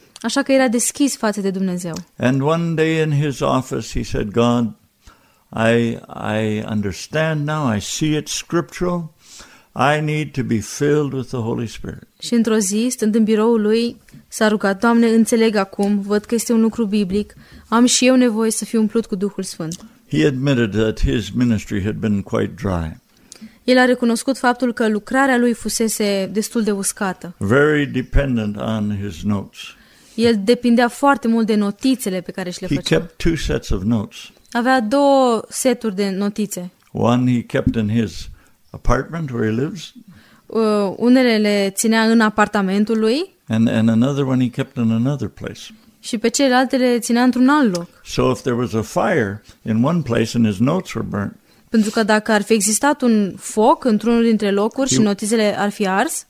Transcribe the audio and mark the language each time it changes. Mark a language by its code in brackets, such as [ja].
[ro] Așa că era deschis față de Dumnezeu. [en] And one day in his office he said, "God, I understand now, I see it scriptural. I need to be filled with the Holy Spirit." [ro] Și într-o zi, stând în biroul lui, s-a rugat, "Doamne, înțeleg acum, văd că este un lucru biblic, am și eu nevoie să fiu umplut cu Duhul Sfânt." [en] He admitted that his ministry had been quite dry. [ro] El a recunoscut faptul că lucrarea lui fusese destul de uscată. [en] Very dependent on his notes. [ro] El depindea foarte mult de notițele pe care și le făcea. [en] He kept 2 sets of notes. [ro] Avea 2 seturi de notițe. [en] One he kept in his apartment where he lives. [ro] Unele le ținea în apartamentul lui. [en] And another one he kept in another place. [ro] Și pe celelalte le ținea într-un alt loc. [en] So if there was a fire in one place and his notes were burnt. [ro] Pentru că dacă ar fi existat un foc într-unul dintre locuri și notițele ar fi ars.